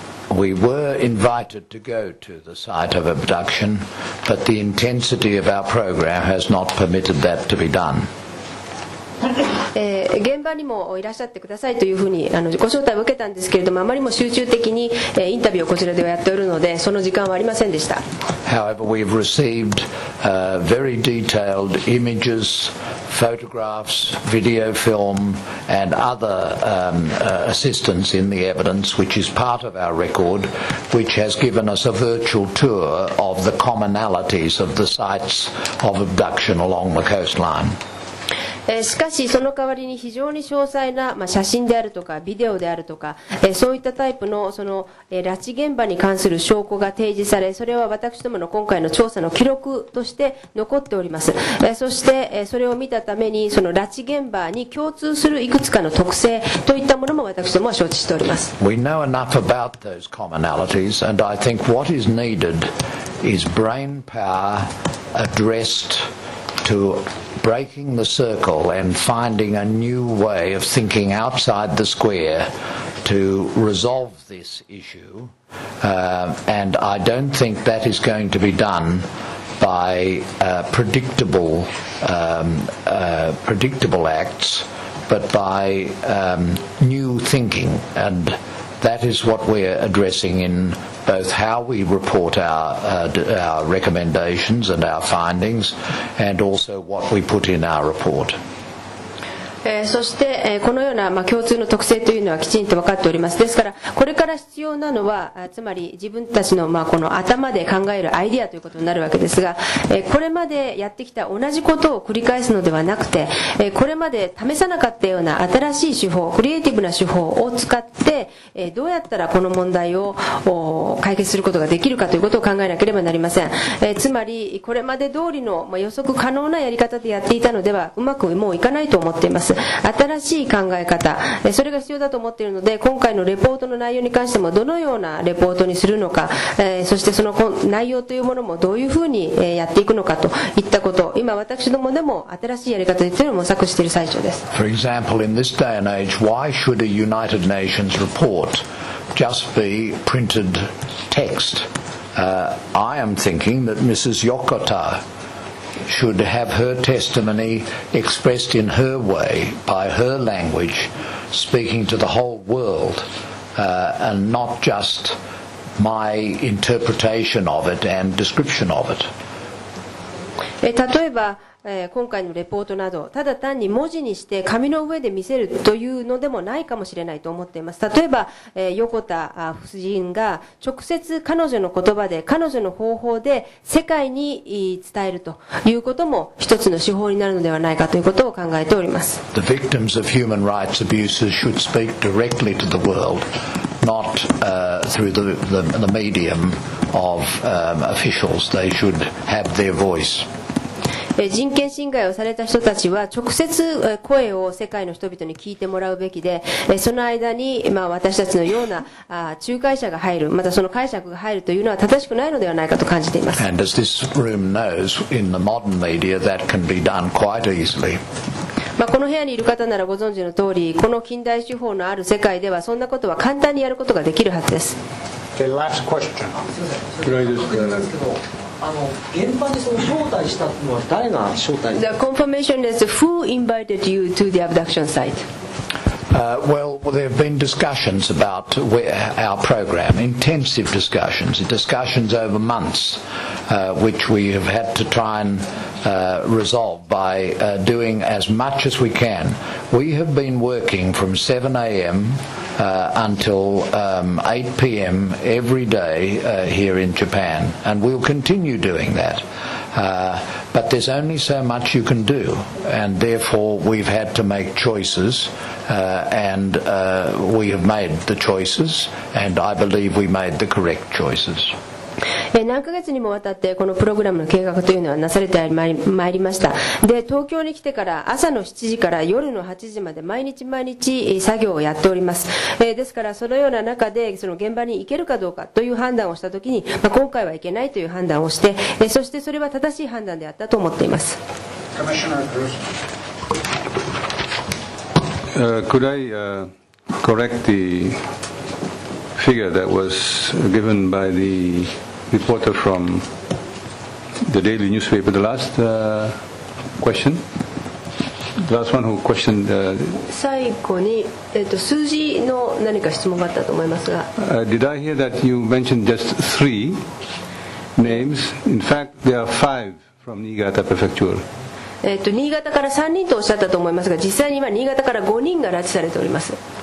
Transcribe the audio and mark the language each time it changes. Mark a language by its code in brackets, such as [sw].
[en] We were invited to go to the site of abduction, but the intensity of our program has not permitted that to be done. [ja] 現場にもいらっしゃってくださいというふうにご招待を受けたんですけれども、あまりも集中的にインタビューをこちらではやっておるので、その時間はありませんでした。 [en] However, we've received very detailed images, photographs, video film, and other assistance in the evidence, which is part of our record, which has given us a virtual tour of the commonalities of the sites of abduction along the coastline. [ja] しかしその代わりに非常に詳細な、まあ、写真であるとかビデオであるとか、そういったタイプ の, その、拉致現場に関する証拠が提示され、それは私どもの今回の調査の記録として残っております。そして、それを見たためにその拉致現場に共通するいくつかの特性といったものも私どもは承知しております。 [en] We know enough about those commonalities and I think what is needed is brain power addressedto breaking the circle and finding a new way of thinking outside the square to resolve this issue. And I don't think that is going to be done by predictable acts, but by new thinking. And that is what we're addressing in both how we report our recommendations and our findings and also what we put in our report. [ja] そして、このような、まあ、共通の特性というのはきちんと分かっております。ですからこれから必要なのは、つまり自分たちの、まあ、この頭で考えるアイデアということになるわけですが、これまでやってきた同じことを繰り返すのではなくて、これまで試さなかったような新しい手法、クリエイティブな手法を使って、どうやったらこの問題を解決することができるかということを考えなければなりません。つまりこれまで通りの、まあ、予測可能なやり方でやっていたのではうまくもういかないと思っています。新しい考え方、それが必要だと思っているので、今回のレポートの内容に関してもどのようなレポートにするのか、そしてその内容というものもどういうふうにやっていくのかといったこと、今私どもでも新しいやり方というのを模索している最中です。 [en] For example, in this day and age, why should a United Nations report just be printed text? I am thinking that Mrs. Yokota should have her testimony expressed in her way, by her language, speaking to the whole world, and not just my interpretation of it and description of it. [ja] 例えば、今回のレポートなど、ただ単に文字にして紙の上で見せるというのでもないかもしれないと思っています。例えば、横田夫人が直接彼女の言葉で、彼女の方法で世界に伝えるということも一つの手法になるのではないかということを考えております。 [en] The victims of human rights abuses should speak directly to the world, not through the medium of officials. They should have their voice. [ja] 人権侵害をされた人たちは直接声を世界の人々に聞いてもらうべきで、その間に、まあ、私たちのような仲介者が入る、またその解釈が入るというのは正しくないのではないかと感じています。 [en] And as this room knows, in the modern media, that can be done quite easily. [ja] まあ、この部屋にいる方ならご存知の通り、この近代手法のある世界ではそんなことは簡単にやることができるはずです。 [en] Okay, last question. The confirmation is who invited you to the abduction site? Well, there have been discussions about our program, intensive discussions, discussions over months, which we have had to try and resolve by doing as much as we can. We have been working from 7 a.m. until 8 p.m. every day here in Japan, and we'll continue doing that. But there's only so much you can do, and therefore we've had to make choices, and we have made the choices, and I believe we made the correct choices. [ja] 何ヶ月にもわたってこのプログラムの計画というのはなされてまいりました。で、東京に来てから朝の7時から夜の8時まで毎日毎日作業をやっております。ですからそのような中でその現場に行けるかどうかという判断をしたときに、まあ、今回は行けないという判断をして、そしてそれは正しい判断であったと思っています。 [en] Could I correct the figure that was given by the reporter from the daily newspaper, the last question? The last one who questioned. [ja] 最後に、数字の何か質問があったと思いますが。 [en] Did I hear that you mentioned just three names? In fact, there are five from Niigata Prefecture. [ja] 新潟から3人とおっしゃったと思いますが、実際に今新潟から5人が拉致されております。